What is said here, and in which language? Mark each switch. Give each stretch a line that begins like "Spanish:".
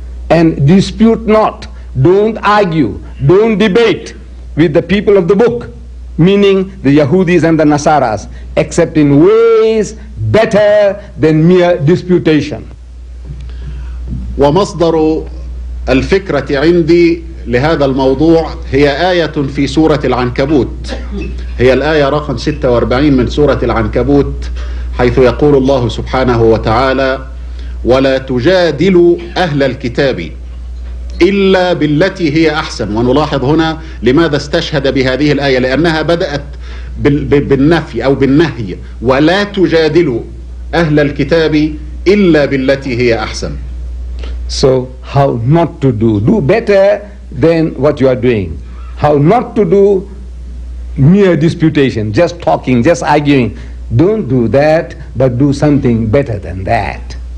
English: And dispute not, don't argue, don't debate with the people of the book, meaning the Yahudis and the Nasaras, except in ways better than mere disputation.
Arabic: ومصدر الفكرة عندي لهذا الموضوع هي آية في سورة العنكبوت، هي الآية رقم 46 من سورة العنكبوت، حيث يقول الله سبحانه وتعالى ولا تجادلوا أهل الكتاب إلا بالتي هي أحسن. ونلاحظ هنا لماذا استشهد بهذه الآية، لأنها بدأت بالنفي أو بالنهي، ولا تجادلوا أهل الكتاب إلا بالتي هي أحسن.
English: So how not to do, do better than what you are doing. How not to do mere disputation, just talking, just arguing. Don't do that, but do something better than that.